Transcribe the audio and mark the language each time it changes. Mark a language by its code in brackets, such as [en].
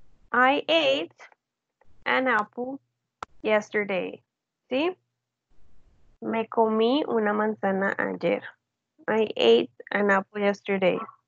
[en] I ate an apple yesterday. [es] ¿Sí? Me comí una manzana ayer. [en] I ate an apple yesterday.